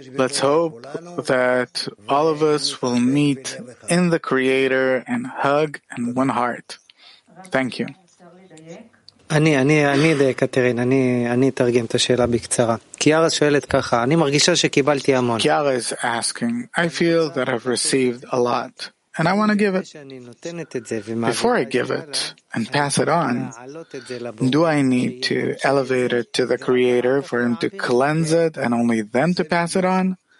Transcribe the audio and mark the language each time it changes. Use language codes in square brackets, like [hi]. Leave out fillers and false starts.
[en] Let's hope that all of us will meet in the Creator and hug in one heart. Thank you. [he] אני קטרין, אני אתרגם את השאלה בקצרה. קיארס שואלת ככה, אני מרגישה שקיבלתי המון. [en] קיארס asking, I feel that I've received a lot. And I want to give it. Before I give it and pass it on, do I need to elevate it to the Creator for Him to cleanse it and only then to pass it on?